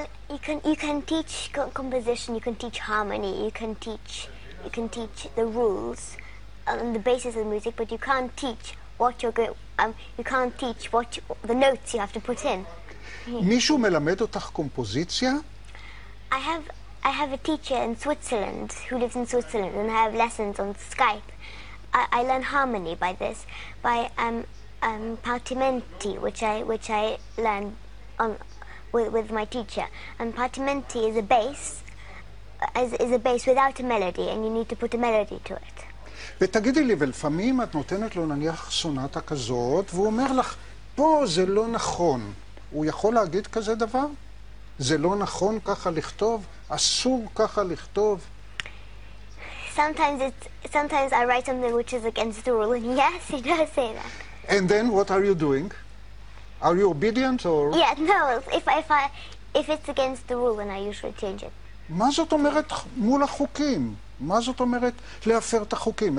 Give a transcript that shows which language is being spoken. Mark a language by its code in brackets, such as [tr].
[en] You can teach composition, you can teach harmony, you can teach the rules and the basis of the music, but you can't teach the notes you have to put in. [he] מישהו מלמד אותך קומפוזיציה? [en] I have a teacher in Switzerland who lives in Switzerland, and I have lessons on Skype. I learn harmony by this, by partimenti, which I learn on with my teacher. And partimenti is a bass, is a bass without a melody, and you need to put a melody to it. [he] ותגידי לי, ולפעמים את נותנת לו נניח סונטה כזאת, והוא אומר לך, פה זה לא נכון. הוא יכול להגיד כזה דבר? זה לא נכון ככה לכתוב? אסור ככה לכתוב? [en] Sometimes I write something which is against the rule, and yes, he does say that. And then what are you doing? Are you obedient or... Yeah, no, if it's against the rule, then I usually change it. [he] מה זאת אומרת מול החוקים? מה זאת אומרת להפר את החוקים?